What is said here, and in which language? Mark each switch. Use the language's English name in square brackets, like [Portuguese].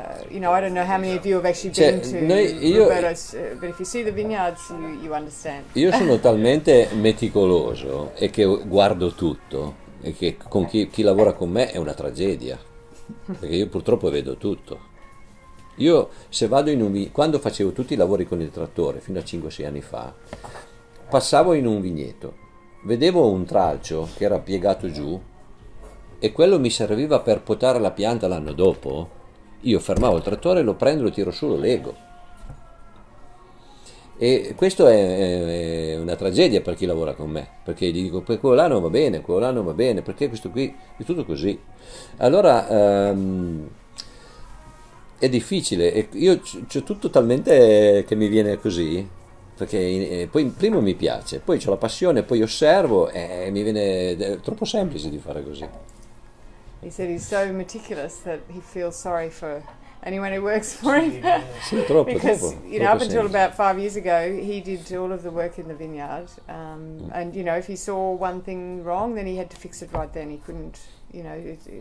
[English] You know, I don't know how many of you have actually been to Roberto's, but if you see the vineyards, you understand. [Italian] Io sono talmente meticoloso e che guardo tutto, e che con chi lavora con me è una tragedia, perché io purtroppo vedo tutto. Io se vado in un vigneto, quando facevo tutti i lavori con il trattore, fino a 5-6 anni fa, passavo in un vigneto, vedevo un tralcio che era piegato giù, e quello mi serviva per potare la pianta l'anno dopo. Io fermavo il trattore, lo prendo, lo tiro su, lo leggo. E questo è una tragedia per chi lavora con me, perché gli dico, quello là non va bene, quello là non va bene, perché questo qui è tutto così. Allora è difficile, io c'ho tutto talmente che mi viene così, perché poi prima mi piace, poi c'ho la passione, poi osservo e mi viene troppo semplice di fare così. [English] He said he's so meticulous that he feels sorry for anyone who works for him. Because, you know, up until about 5 years ago, he did all of the work in the vineyard. And, you know, if he saw one thing wrong, then he had to fix it right then. He couldn't, you know,